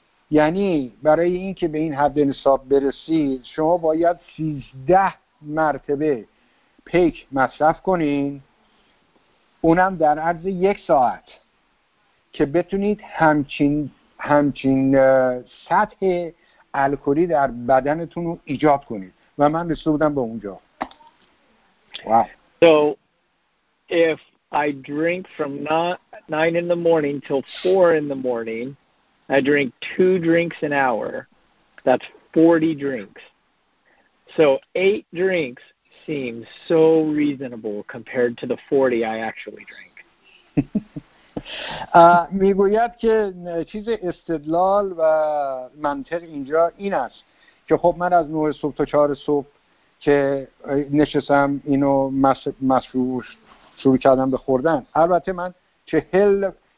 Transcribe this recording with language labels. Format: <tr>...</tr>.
<fa>یعنی برای این که به این حد نصاب برسید شما باید 13 مرتبه پیک مصرف کنین، اونم در عرض یک ساعت، که بتونید همچین سطح الکلی در بدنتون رو ایجاد کنید و من رسیده بودم به اونجا. واو.</fa> <en>So if I drink from 9 in the morning till 4 in the morning, I drink 2 drinks an hour. That's 40 drinks. So 8 drinks seems so reasonable compared to the 40 I actually drink.</en> <fa>میگوید که چیز استدلال و منطق اینجا این است که خب من از 9 صبح تا 4 صبح که نشستم اینو مشروب شروع کردم به خوردن، البته من 40</fa>